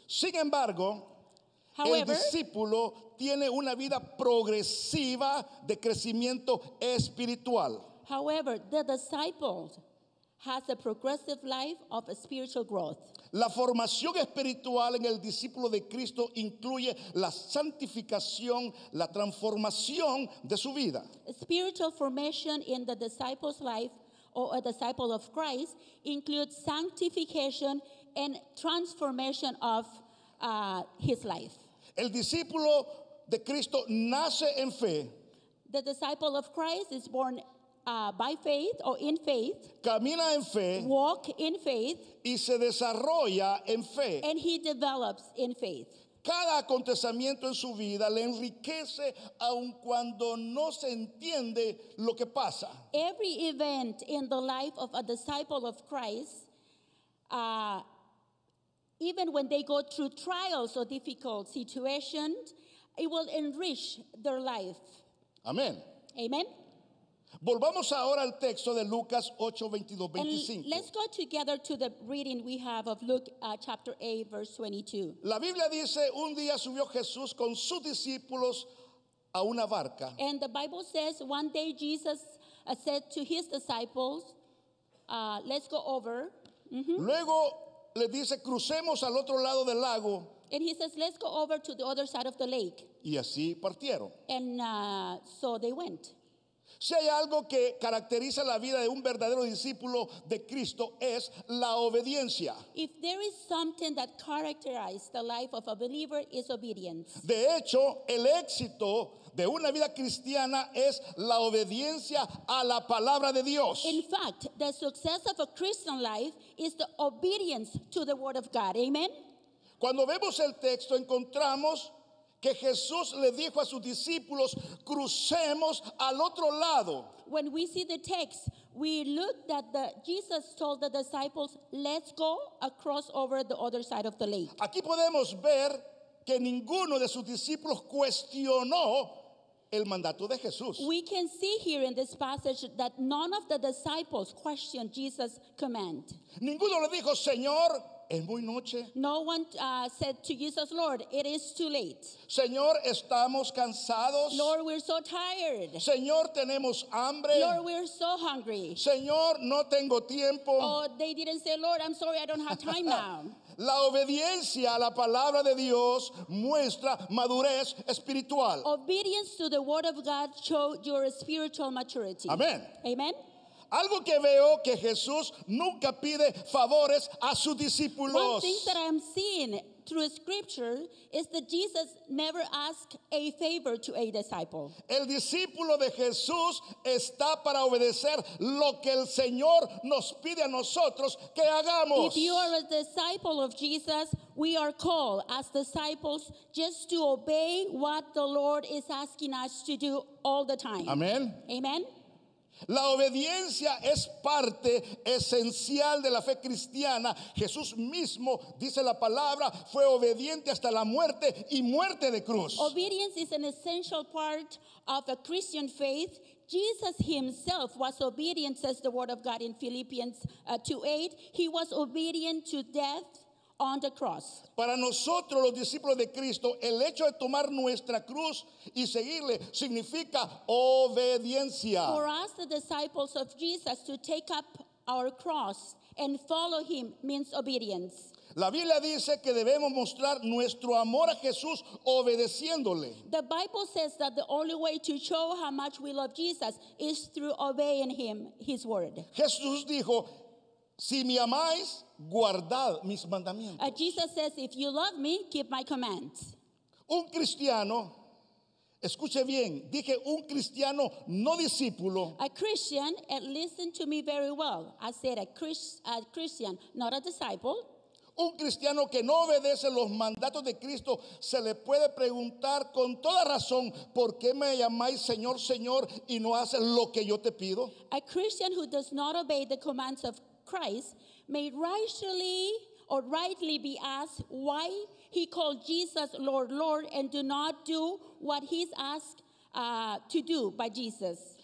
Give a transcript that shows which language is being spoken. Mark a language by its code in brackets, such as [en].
[es] Sin embargo, [en] however, [es] el discípulo tiene una vida progresiva de crecimiento espiritual. [en] However, the disciple has a progressive life of a spiritual growth. [es] La formación espiritual en el discípulo de Cristo incluye la santificación, la transformación de su vida. [en] A spiritual formation in the disciple's life or a disciple of Christ includes sanctification and transformation of his life. [es] El discípulo de Cristo nace en fe. [en] The disciple of Christ is born by faith or in faith. [es] Camina en fe. [en] Walk in faith. [es] Y se desarrolla en fe. [en] And he develops in faith. [es] Cada acontecimiento en su vida le enriquece aun cuando no se entiende lo que pasa. [en] Every event in the life of a disciple of Christ, even when they go through trials or difficult situations, it will enrich their life. [es] Amen. [en] Amen. [es] Volvamos ahora al texto de Lucas 8:22-25. [en] Let's go together to the reading we have of Luke chapter 8, verse 22. [es] La Biblia dice, un día subió Jesús con sus discípulos a una barca. [en] And the Bible says, one day Jesus said to his disciples, let's go over. [es] Luego le dice, crucemos al otro lado del lago. [en] And he says, let's go over to the other side of the lake. [es] Y así partieron. [en] And so they went. [es] Si hay algo que caracteriza la vida de un verdadero discípulo de Cristo es la obediencia. [en] If there is something that characterizes the life of a believer, is obedience. [es] De hecho, el éxito de una vida cristiana es la obediencia a la palabra de Dios. [en] In fact, the success of a Christian life is the obedience to the word of God. Amen. [es] Cuando vemos el texto, encontramos que Jesús le dijo a sus discípulos, crucemos al otro lado. [en] When we see the text, we look that Jesus told the disciples, let's go across over the other side of the lake. [es] Aquí podemos ver que ninguno de sus discípulos cuestionó el mandato de Jesús. [en] We can see here in this passage that none of the disciples questioned Jesus' command. [es] Ninguno le dijo, Señor, es muy noche. [en] No one said to Jesus, Lord, it is too late. [es] Señor, estamos cansados. [en] Lord, we're so tired. [es] Señor, tenemos hambre. [en] Lord, we're so hungry. [es] Señor, no tengo tiempo. [en] Oh, they didn't say, Lord, I'm sorry, I don't have time now. [es] La obediencia a la palabra de Dios muestra madurez espiritual. [en] Obedience to the word of God shows your spiritual maturity. [es] Amén. [en] Amen. [es] Algo que veo que Jesús nunca pide favores a sus discípulos. [en] One thing that I'm seeing through scripture is that Jesus never asked a favor to a disciple. [es] El discípulo de Jesús está para obedecer lo que el Señor nos pide a nosotros que hagamos. [en] If you are a disciple of Jesus, we are called as disciples just to obey what the Lord is asking us to do all the time. Amen. Amen. [es] La obediencia es parte esencial de la fe cristiana. Jesús mismo, dice la palabra, fue obediente hasta la muerte y muerte de cruz. [en] Obedience is an essential part of a Christian faith. Jesus himself was obedient, says the word of God in Philippians 2:8. He was obedient to death on the cross. [es] Para nosotros los discípulos de Cristo, el hecho de tomar nuestra cruz y seguirle significa obediencia. [en] For us, the disciples of Jesus, to take up our cross and follow him means obedience. [es] La Biblia dice que debemos mostrar nuestro amor a Jesús obedeciéndole. [en] The Bible says that the only way to show how much we love Jesus is through obeying him, his word. [es] Jesús dijo, si me amáis, guardad mis mandamientos. [en] Jesus says, if you love me, keep my commands. [es] Un cristiano, escuche bien, dije un cristiano, no discípulo. [en] A Christian, and listen to me very well. I said a Christian, not a disciple. [es] Un cristiano que no obedece los mandatos de Cristo se le puede preguntar con toda razón, ¿por qué me llamáis Señor, Señor, y no haces lo que yo te pido? [en] A Christian who does not obey the commands of Christ may rightly be asked why he called Jesus Lord, Lord, and do not do what he's asked to do by Jesus.